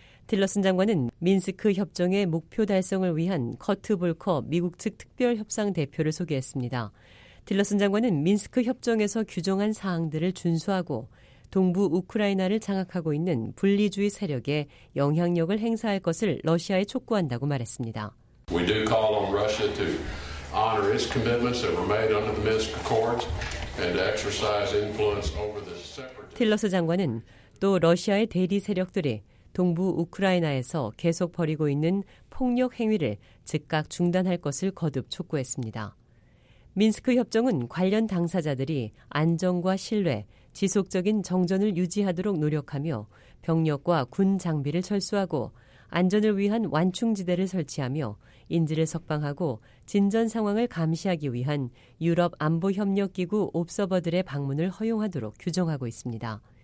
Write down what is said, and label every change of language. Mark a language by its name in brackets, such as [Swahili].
[Korean] 틸러슨 장관은 민스크 협정의 목표 달성을 위한 커트 볼커 미국 측 특별 협상 대표를 소개했습니다. 틸러슨 장관은 민스크 협정에서 규정한 사항들을 준수하고 동부 우크라이나를 장악하고 있는 분리주의 세력에 영향력을 행사할 것을 러시아에 촉구한다고 말했습니다. [English] We do call on Russia to honor its commitments that were made under the Minsk Accords and to exercise influence over the separatists. [Korean] 틸러스 장관은 또 러시아의 대리 세력들이 동부 우크라이나에서 계속 벌이고 있는 폭력 행위를 즉각 중단할 것을 거듭 촉구했습니다. 민스크 협정은 관련 당사자들이 안정과 신뢰, 지속적인 정전을 유지하도록 노력하며 병력과 군 장비를 철수하고 안전을 위한 완충지대를 설치하며 인질을 석방하고 진전 상황을 감시하기 위한 유럽 안보협력기구 옵서버들의 방문을 허용하도록 규정하고 있습니다.